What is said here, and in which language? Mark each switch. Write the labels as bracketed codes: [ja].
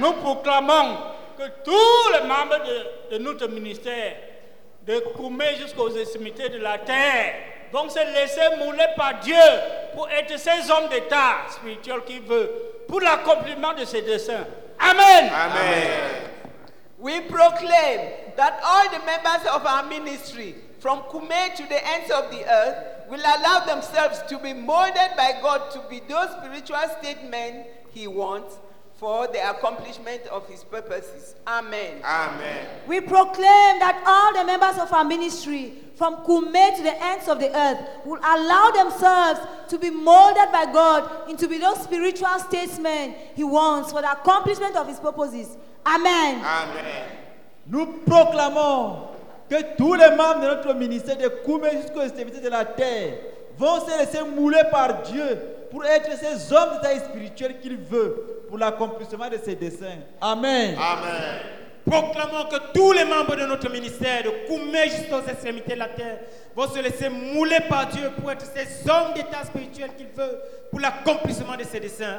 [fr] Nous proclamons que tous les membres de notre ministère, de Koumé jusqu'aux extrémités de la terre, vont se laisser mouler par Dieu pour être ces hommes d'état spirituel qu'il veut pour l'accomplissement de ses desseins. Amen. Amen. [en] proclaim that all the members of our ministry, from Kume to the ends of the earth, will allow themselves to be molded by God to be those spiritual statesmen he wants for the accomplishment of his purposes. Amen. Amen. We proclaim that all the members of our ministry, from Kume to the ends of the earth, will allow themselves to be molded by God into be those spiritual statesmen he wants for the accomplishment of his purposes. Amen. Amen. [fr] Nous proclamons que tous les membres de notre ministère de Kume jusqu'aux extrémités de la terre vont se laisser mouler par Dieu pour être ces hommes d'état spirituel qu'il veut pour l'accomplissement de ses desseins. Amen. Amen. Proclamons que tous les membres de notre ministère de Kume jusqu'aux extrémités de la terre vont se laisser mouler par Dieu pour être ces hommes d'état spirituel qu'il veut pour l'accomplissement de ses desseins.